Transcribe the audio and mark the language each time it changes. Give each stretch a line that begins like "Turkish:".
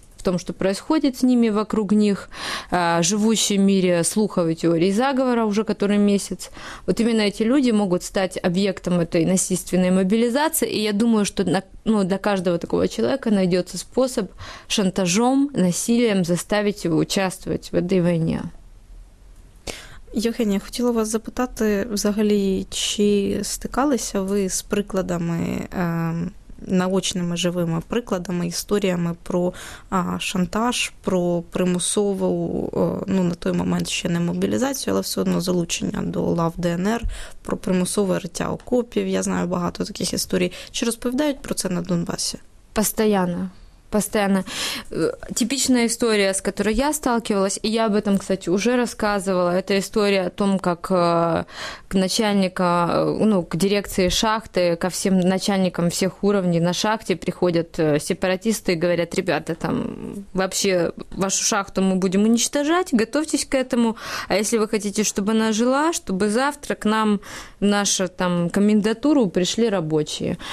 Russian: в том, что происходит с ними вокруг них, живущие в мире слухов и теорий заговора уже который месяц. Вот именно эти люди могут стать объектом этой насильственной мобилизации, и я думаю, что для каждого такого человека найдется способ шантажом, насилием заставить его участвовать в этой войне.
Ukrainian: Євгенія, я хотіла вас запитати, взагалі, чи стикалися ви з прикладами, наочними живими прикладами, історіями про шантаж, про примусову, на той момент ще не мобілізацію, але все одно залучення до лав ДНР, про примусове риття окопів, я знаю багато таких історій. Чи розповідають про це на Донбасі?
Russian: Постоянно. Типичная история, с которой я сталкивалась, и я об этом, кстати, уже рассказывала, это история о том, как к начальнику, к дирекции шахты, ко всем начальникам всех уровней на шахте приходят сепаратисты и говорят: ребята, там вообще вашу шахту мы будем уничтожать, готовьтесь к этому, а если вы хотите, чтобы она жила, чтобы завтра к нам в нашу там комендатуру пришли рабочие.